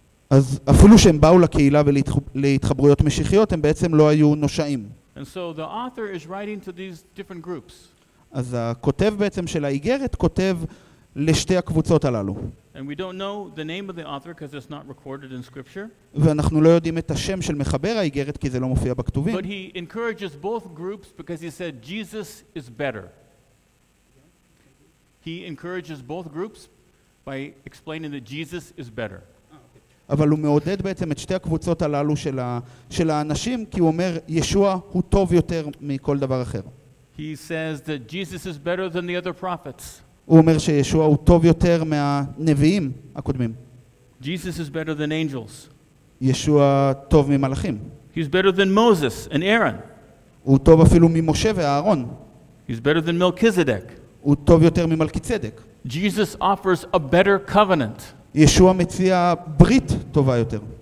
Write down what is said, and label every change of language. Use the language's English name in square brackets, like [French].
[Hebrew] אז אפילו שהם באו לקהילה ולהתחברויות משיחיות, הם בעצם לא היו נושאים. [English] And so the author is writing to these different groups. [Hebrew] אז הכותב בעצם של האיגרת כותב לשתי הקבוצות הללו. [English] And we don't know the name of the author because it's not recorded in scripture. [Hebrew] ואנחנו לא יודעים את השם של מחבר האיגרת כי זה לא מופיע בכתובים. [English] But he encourages both groups because he said Jesus is better. He encourages both groups by explaining that Jesus is better. [Hebrew] אבל הוא מעודד בעצם את שתי הקבוצות הללו של של האנשים כי הוא אומר ישוע הוא טוב יותר מכל דבר אחר. [English] He says that Jesus is better than the other prophets. [Hebrew] הוא אומר שישוע הוא טוב יותר מהנביאים הקודמים. [English] Jesus is better than angels. [Hebrew] ישוע טוב ממלאכים. [English] He's better than Moses and Aaron. [Hebrew] הוא טוב אפילו ממשה ואהרון. [English] He's better than Melchizedek. [Hebrew] הוא טוב יותר ממלכיצדק. [English] Jesus offers a better covenant. [Hebrew] ישוע מציע ברית טובה יותר.